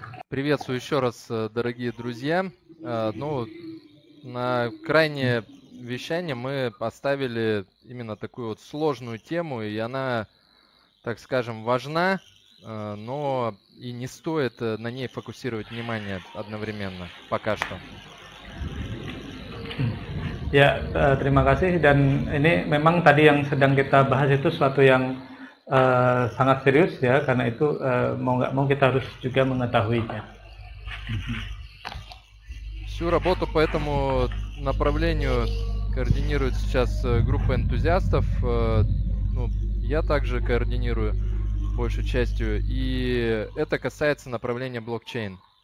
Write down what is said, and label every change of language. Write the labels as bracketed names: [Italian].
[Russian] Приветствую еще раз, дорогие друзья. Ну, на крайнее вещание мы поставили именно такую вот сложную тему, и она, так скажем, важна. Но и не стоит на ней фокусировать внимание одновременно, пока что. [Indonesian] Ya, terima kasih. Dan ini memang tadi yang sedang kita bahas itu suatu yang sangat serius ya, karena itu mau nggak mau kita harus juga mengetahuinya. [Russian] Всю работу по этому направлению координирует сейчас группа энтузиастов. Ну, я также координирую большей частью, и это касается направления блокчейн.